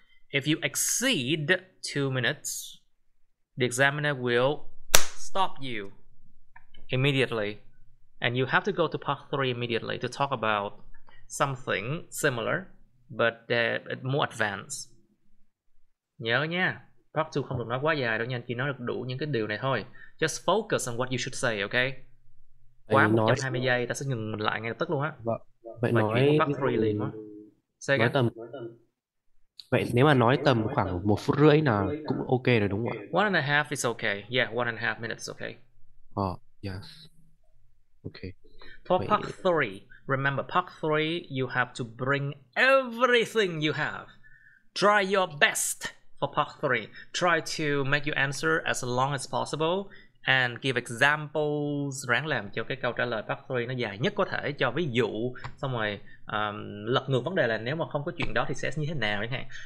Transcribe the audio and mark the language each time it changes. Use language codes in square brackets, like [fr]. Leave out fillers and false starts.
[en] If you exceed 2 minutes, the examiner will stop you immediately. And you have to go to part 3 immediately to talk about something similar, but more advanced. [vi] Nhớ nha, part 2 không được nói quá dài đâu nha, chỉ nói được đủ những cái điều này thôi. [en] Just focus on what you should say, okay? [vi] Quá 120 giây, ta sẽ ngừng mình lại ngay lập tức luôn á. Vậy nói chuyển part 3 liền quá. [en] Say again. [vi] Vậy nếu mà nói tầm khoảng 1 phút rưỡi là cũng ok rồi đúng không ạ? [en] 1 and a half is okay. Yeah, 1 and a half minutes is okay. Oh, yes. Okay. For part 3, remember part 3, you have to bring everything you have. Try your best for part 3. Try to make your answer as long as possible and give examples. [vi] Ráng làm cho cái câu trả lời part 3 nó dài nhất có thể, cho ví dụ, xong rồi lật ngược vấn đề là nếu mà không có chuyện đó thì sẽ như thế nào chẳng hạn.